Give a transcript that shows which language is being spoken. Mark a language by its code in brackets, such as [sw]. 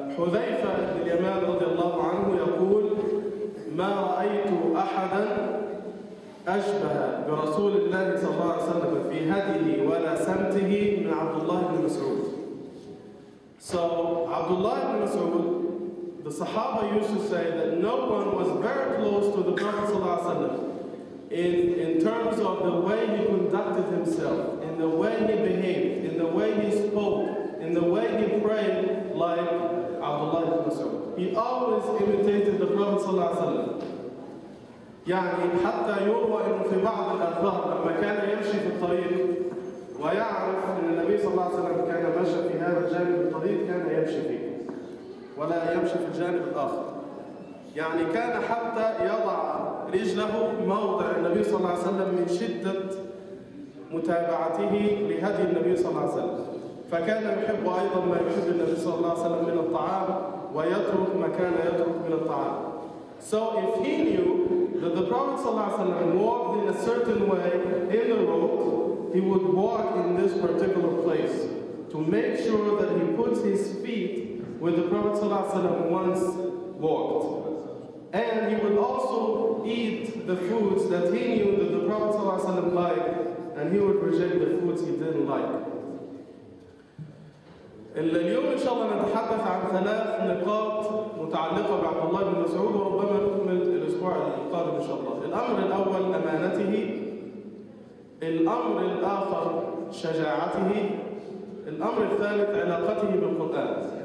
[ar] حذيفة بن اليمان رضي الله عنه يقول ما رأيت أحدا أشبه برسول الله صلى الله عليه وسلم في هديه ولا سمته من عبد الله بن مسعود. [en] So عبد الله بن مسعود, the Sahaba used to say that no one was very close to the Prophet صلى الله عليه وسلم in terms of the way he conducted himself, in the way he behaved, in the way he spoke, in the way he prayed like عبد الله بن مسعود. He always imitated the Prophet صلى الله عليه وسلم. [ar] يعني حتى يروى أنه في بعض الأثار لما كان يمشي في الطريق ويعرف أن النبي صلى الله عليه وسلم كان مشى في هذا الجانب الطريق كان يمشي فيه ولا يمشي في الجانب الآخر. يعني كان حتى يضع رجله موضع النبي صلى الله عليه وسلم من شدة متابعته لهدي النبي صلى الله عليه وسلم. فكان يحب أيضا ما يحب النبي صلى الله عليه وسلم من الطعام ويترك ما كان يترك من الطعام. [en] So if he knew that the Prophet ﷺ walked in a certain way in the road, he would walk in this particular place to make sure that he puts his feet where the Prophet ﷺ once walked. And he would also eat the foods that he knew that the Prophet ﷺ liked, and he would reject the foods he didn't like. [ar] اليوم إن شاء الله نتحدث عن 3 نقاط متعلقة بعبد الله بن مسعود وربما نكمل الأسبوع القادم إن شاء الله. الأمر الأول أمانته, الأمر الآخر شجاعته, الأمر الثالث علاقته بالقرآن.